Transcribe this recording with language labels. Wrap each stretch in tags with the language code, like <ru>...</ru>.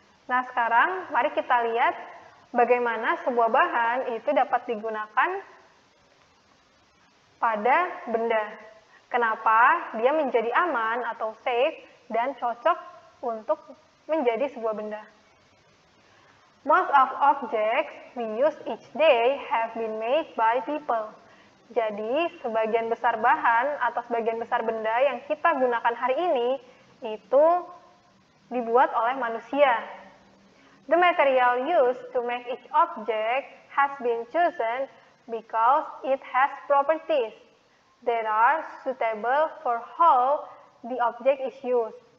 <id>Nah, sekarang mari kita lihat bagaimana sebuah bahan itu dapat digunakan pada benda. Kenapa dia menjadi aman atau safe dan cocok untuk menjadi sebuah benda.</id> <en>Most of objects we use each day have been made by people.</en> <id>Jadi, sebagian besar bahan atau sebagian besar benda yang kita gunakan hari ini itu dibuat oleh manusia.</id> <en>The material used to make each object has been chosen because it has properties that are suitable for how the object is used.</en>